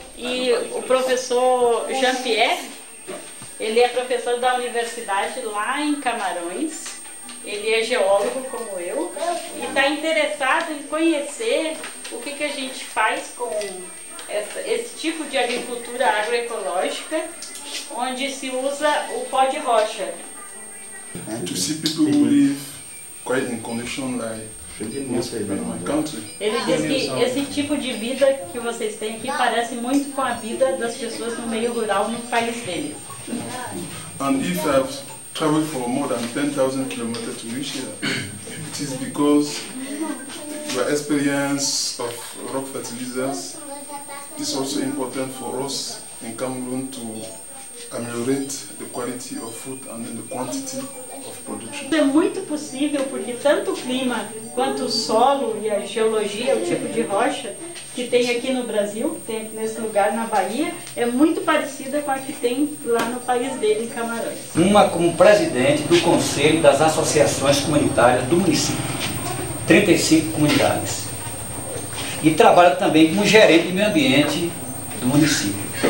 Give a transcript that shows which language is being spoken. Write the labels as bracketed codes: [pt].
[pt] E o professor Jean-Pierre, ele é professor da universidade lá em Camarões, ele é geólogo como eu, e está interessado em conhecer o que, que a gente faz com esse tipo de agricultura agroecológica, onde se usa o pó de rocha. [en] To see people who live quite in condition like in my country. [pt] Ele diz que esse tipo de vida que vocês têm aqui parece muito com a vida das pessoas no meio rural no país dele. [en] And if I've traveled for more than 10,000 kilometers to reach here, it is because the experience of rock fertilizers is also important for us in Cameroon to ameliorate the quality of food and the quantity of production. [pt] É muito possível porque tanto o clima quanto o solo e a geologia, o tipo de rocha que tem aqui no Brasil, que tem aqui nesse lugar na Bahia, é muito parecida com a que tem lá no país dele, em Camarões. Uma como presidente do Conselho das Associações Comunitárias do município, 35 comunidades, e trabalha também como gerente de meio ambiente do município.